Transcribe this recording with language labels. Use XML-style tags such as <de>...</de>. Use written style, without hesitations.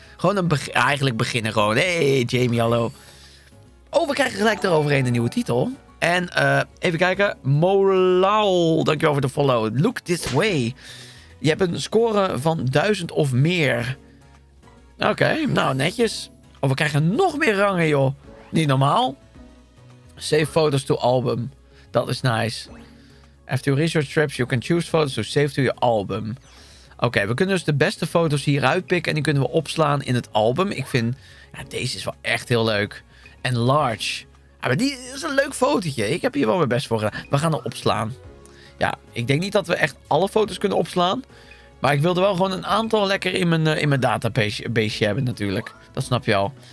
<nl>Gewoon een eigenlijk beginnen gewoon. Hey Jamie, hallo. Oh, we krijgen gelijk eroverheen een nieuwe titel. En even kijken. Molal. Dankjewel voor de follow. Look this way. Je hebt een score van 1000 of meer. Oké, nou netjes. Oh, we krijgen nog meer rangen, joh. Niet normaal. Save photos to album. Dat is nice.</nl> <en>After your research trips, you can choose photos to save to your album.</en> <nl>Oké, we kunnen dus de beste foto's hieruit pikken. En die kunnen we opslaan in het album. Ik vind, ja, deze is wel echt heel leuk. En large. Ja, maar die is een leuk fotootje. Ik heb hier wel mijn best voor gedaan. We gaan er opslaan. Ja, ik denk niet dat we echt alle foto's kunnen opslaan. Maar ik wilde wel gewoon een aantal lekker in mijn database hebben natuurlijk. Dat snap je al.</nl>